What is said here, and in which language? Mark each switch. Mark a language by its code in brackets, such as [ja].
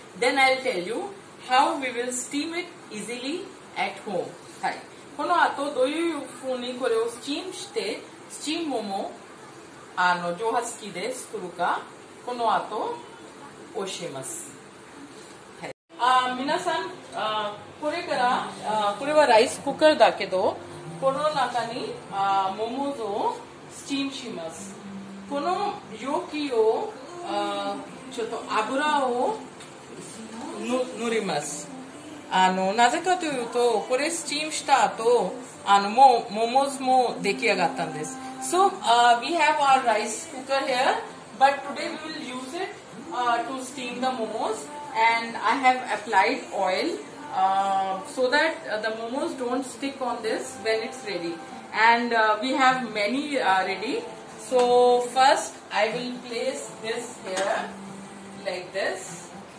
[en] Then I'll tell you how we will steam it easily at home. [ja] はい。この後、どういうふうにこれをスチームして、スチームも蒸発器で作るか、この後、教えます。皆さん、これから、これはライスクーカーだけど、この中に桃をスチームします。この容器をちょっと油を塗ります。なぜかというと、これスチームした後、もう桃も出来上がったんです。 [en] So, we have our rice cooker here, but today we will use it to steam the momos. And I have applied oil so that the momos don't stick on this when it's ready. And we have many ready. So first I will place this here like this.